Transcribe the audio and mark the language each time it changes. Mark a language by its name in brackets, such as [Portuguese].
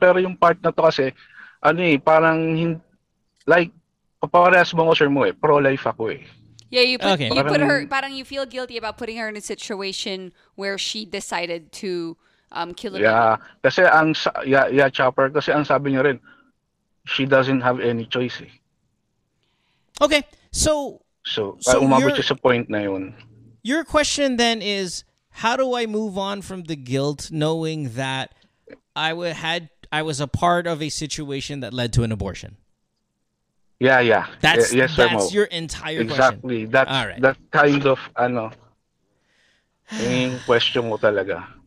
[Filipino] Pero yung part na to kasi, ano eh, parang, like, kaparehas mo ko, sir mo eh, pro-life ako eh. [English] Yeah, you put, okay. You put her, parang you feel guilty about putting her in a situation where she decided to kill him. [Filipino] Yeah, kasi ang, chopper, kasi ang sabi niya rin, [English] she doesn't have any choice [Filipino] eh. [English] Okay, so... [Filipino] So umabot siya sa point na yun. [English] Your question then is, how do I move on from the guilt knowing that I was a part of a situation that led to an abortion? Yeah, yeah. That's, yes, sir, that's your entire exactly. Exactly. That's right. That kind of, ano, yung question [Filipino] mo talaga.